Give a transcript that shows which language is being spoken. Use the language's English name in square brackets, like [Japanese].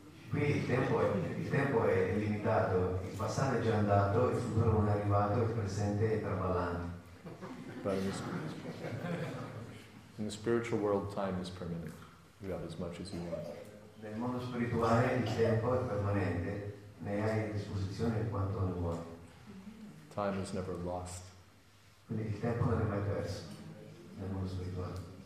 [Italian] Qui il tempo è illimitato. Il passato è già andato. Il futuro non è arrivato. Il presente è traballante. [English] But in the spiritual world, time is permanent. You have as much as you want. [Italian] Nel mondo spirituale il tempo è permanente, ne hai a disposizione quanto ne vuoi. [English] Time is never lost. [Italian] Quindi il tempo non è mai perso nel mondo spirituale.